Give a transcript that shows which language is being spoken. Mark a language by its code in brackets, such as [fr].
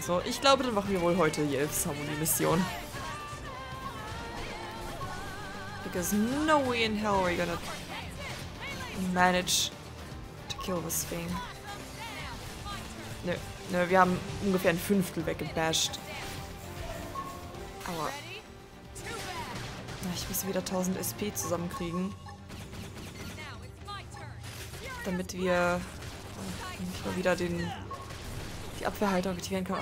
[de] So, ich glaube, dann machen wir wohl heute die Elfsharmonie-Mission. [en] Because no way in hell are we gonna manage to kill this thing. [de] Nö, nö, wir haben ungefähr ein Fünftel weggebasht. Aber. Ich muss wieder 1000 SP zusammenkriegen. Damit wir nicht mal wieder die Abwehrhaltung aktivieren können.